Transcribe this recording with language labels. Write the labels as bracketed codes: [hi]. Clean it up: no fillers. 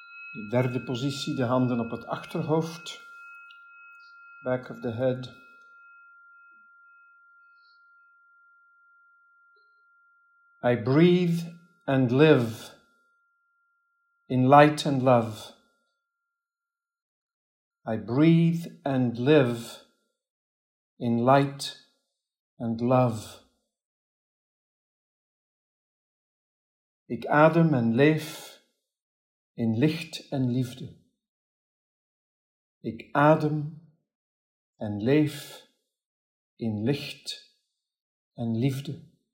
[nl] De derde positie, de handen op het achterhoofd, [en] back of the head. I breathe and live in light and love. I breathe and live in light and love. [nl] Ik adem en leef in licht en liefde. Ik adem en leef in licht en liefde.